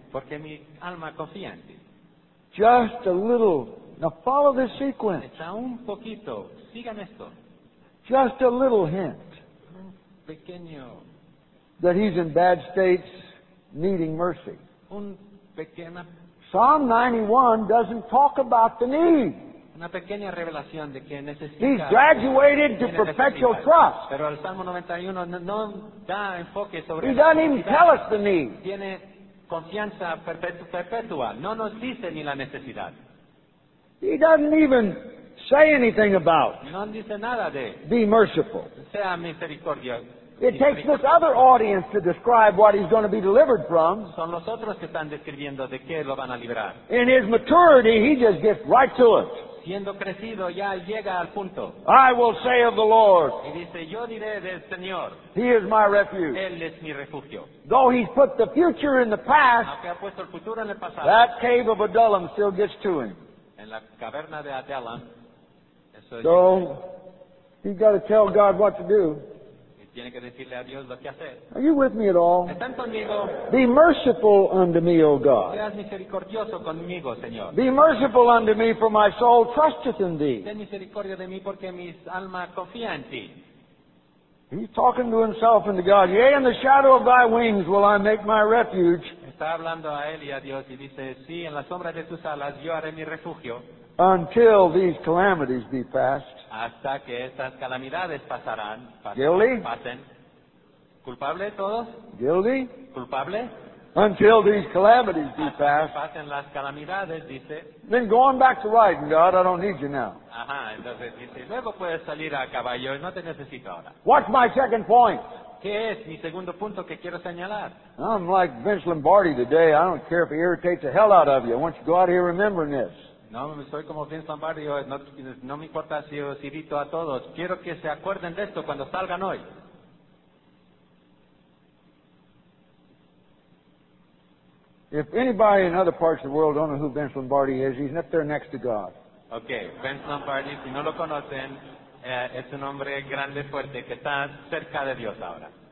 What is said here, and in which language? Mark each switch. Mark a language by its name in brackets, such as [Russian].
[Spanish] Porque mi alma confía en ti. [English] Just a little. Now follow this sequence. [Spanish] Está un poquito. Sigan esto. [English] Just a little hint. [Spanish] Un pequeño. [English] That he's in bad states needing mercy. [Spanish] Un pequeño. [English] Psalm 91 doesn't talk about the need. [Spanish] Una pequeña revelación de que necesita. [English] He's graduated to perpetual trust. [Spanish] Pero el Salmo 91 no da enfoque sobre. [English] He doesn't even tell us the need. [Spanish] Tiene confianza perpetua. No nos dice ni la necesidad. [English] He doesn't even say anything about. [Spanish] No dice nada de. [English] Be merciful. [Spanish] Sea misericordia. [English] It takes this other audience to describe what he's going to be delivered from. [Spanish] Son los otros que están describiendo de qué lo van a librar. [English] In his maturity, he just gets right to it. [Spanish] Siendo crecido, ya llega al punto. [English] I will say of the Lord. [Spanish] Y dice, yo diré del Señor. [English] He is my refuge. [Spanish] Él es mi refugio. [English] Though he's put the future in the past, [Spanish] aunque ha puesto el futuro en el pasado, [English] that cave of Adullam still gets to him. [Spanish] En la caverna de Adullam, eso [English] so, he's got to tell God what to do. [Spanish] Tiene que decirle a Dios lo que hacer. [English] Are you with me at all? [Spanish] ¿Están conmigo? [English] Be merciful unto me, O God. [Spanish] Seas misericordioso conmigo, Señor. [English] Be merciful unto me, for my soul trusteth in thee. [Spanish] Ten misericordia de mí porque mi alma confía en ti. [English] He's talking to himself and to God. Yea, in the shadow of thy wings will I make my refuge. [Spanish] Está hablando a él y a Dios y dice, sí, en la sombra de tus alas yo haré mi refugio. [English] Until these calamities be past. [Spanish] Hasta que estas calamidades pasarán. [English] Guilty? [Spanish] Pasen. ¿Culpable todos? [English] Guilty? [Spanish] ¿Culpable? [English] until these calamities be passed. [Spanish] Pasen las calamidades, dice. [English] Then go on back to riding, God. I don't need you now. [Spanish] Ajá, entonces dice, luego puedes salir a caballo, no te necesito ahora. [English] What's my second point? [Spanish] ¿Qué es mi segundo punto que quiero señalar? [English] I'm like Vince Lombardi today. I don't care if he irritates the hell out of you. I want you to go out here remembering this. [Spanish] No, soy como Vince Lombardi. No me importa si os irrito a todos. Quiero que se acuerden de esto cuando salgan hoy. [English] If anybody in other parts of the world don't know who Vince Lombardi is, he's up there next to God. [Spanish] Okay, Vince Lombardi, si no lo conocen, es un hombre grande, fuerte, que está cerca de Dios ahora.